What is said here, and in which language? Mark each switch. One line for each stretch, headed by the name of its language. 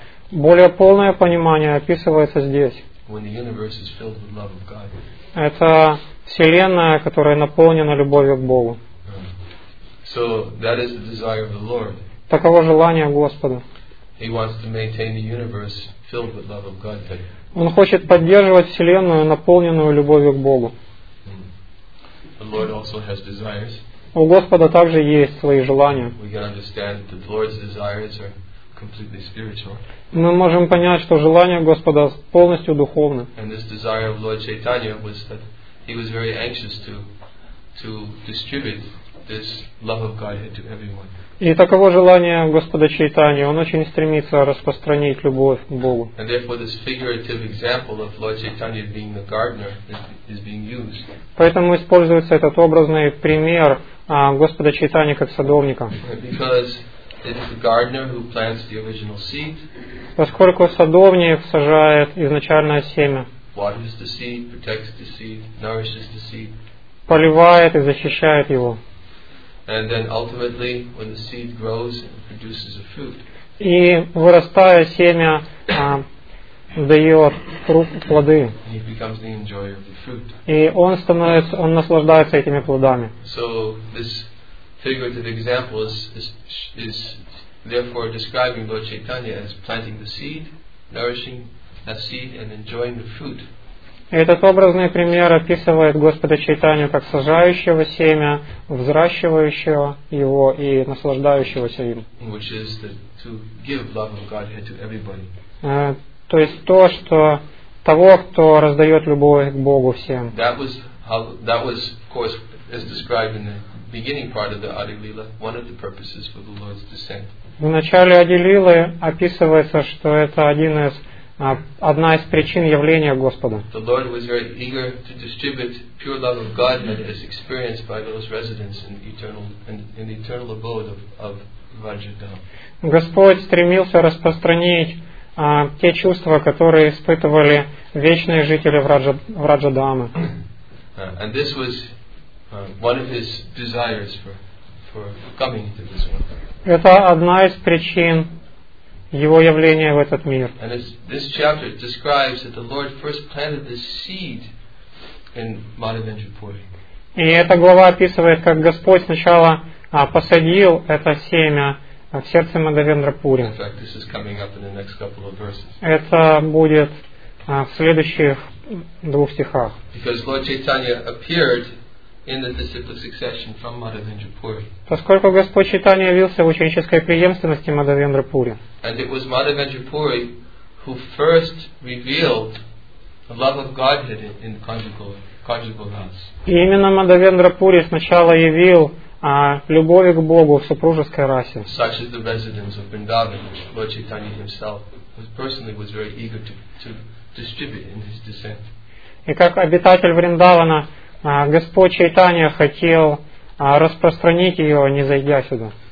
Russian: более полное понимание описывается здесь.
English: When the universe is filled with love of God.
Russian: Это вселенная, которая наполнена любовью к Богу.
English: So that is the desire of the Lord.
Russian: Таково желание Господа.
English: He wants to maintain the universe filled with love of God.
Russian: Он хочет поддерживать вселенную, наполненную любовью к Богу.
English: The Lord also has desires.
Russian: У Господа также есть свои желания.
English: We can understand that the Lord's desires are completely spiritual.
Russian: Мы можем понять, что желание Господа полностью духовно.
English: And this desire of Lord Chaitanya was that he was very anxious to distribute this love of Godhead to everyone.
Russian: И таково желание Господа Чайтаньи. Он очень стремится распространить любовь к Богу.
English: And therefore this figurative example of Lord Chaitanya being the gardener is being used.
Russian: Поэтому используется этот образный пример Господа Чайтаньи как садовника.
English: Because it is the gardener who plants the original seed.
Russian: Поскольку садовник сажает изначальное семя.
English: Waters the seed, protects the seed, nourishes the seed.
Russian: Поливает и защищает его.
English: And then ultimately, when the seed grows, it produces a fruit.
Russian: И вырастая семя дает плоды.
English: He becomes the enjoyer of the fruit.
Russian: И он становится, он наслаждается этими плодами.
English: So this figurative example is therefore describing Lord Chaitanya as planting the seed, nourishing that seed, and enjoying the fruit.
Russian: Этот образный пример описывает Господа Чайтанью как сажающего семя, взращивающего его и наслаждающегося им.
English: Which is to give love of Godhead to everybody.
Russian: То есть то, что того, кто раздает любовь к Богу всем.
English: That was, of course, as described in the beginning part of the Adilila, one of the purposes for the Lord's descent.
Russian: В начале Адилилы описывается, что это одна из причин явления Господа.
English: The Lord was very eager to distribute pure love of God that is experienced by those residents in the eternal abode of Vajradhama.
Russian: Господь стремился распространить те чувства, которые испытывали вечные жители Враджа-дхамы.
English: And this was one of his desires for coming to this world.
Russian: Это одна из причин его явления в этот мир.
English: And this chapter describes that the Lord first planted this seed in Madhavendrapuri.
Russian: И эта глава описывает, как Господь сначала посадил это семя в сердце Мадхавендрапури.
English: In fact, this is coming up in the next couple of verses.
Russian: Это будет в следующих двух стихах.
English: Because Lord Chaitanya appeared in the disciplic succession from Madhavendrapuri.
Russian: Поскольку Господь Чайтанья явился в ученической преемственности Мадхавендрапури.
English: And it was Madhavendrapuri who first revealed the love of Godhead in conjugal vows.
Russian: И именно Мадхавендрапури сначала явил любовь к Богу в супружеской расе.
English: Such is the residence of Vrindavan, which Lord Chaitanya himself personally was very eager to distribute in his descent.
Russian: И как обитатель Вриндавана, Господь Чайтанья хотел распространить ее, не зайдя сюда.